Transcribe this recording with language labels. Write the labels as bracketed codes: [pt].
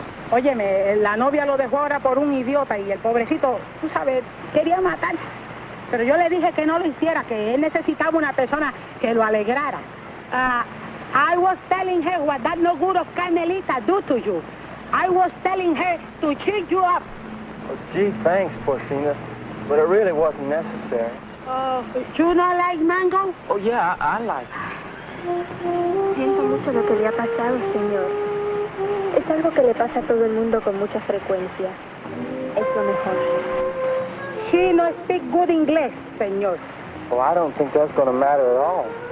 [es] Óyeme, la novia lo dejó ahora por un idiota y el pobrecito, tú sabes, quería matar. Pero yo le dije que no lo hiciera, que él necesitaba una persona que lo alegrara. [en] I was telling her what that no good of Carmelita do to you. I was telling her to cheat you up. Oh, gee, thanks, Porcina. But it really wasn't necessary. Oh, you not like Mango? Oh, yeah, I like it. [es] Siento mucho lo que le ha pasado, señor. Es algo que le pasa a todo el mundo con mucha frecuencia. Es lo mejor. [en] She no speak good English, señor. Well, I don't think that's going to matter at all.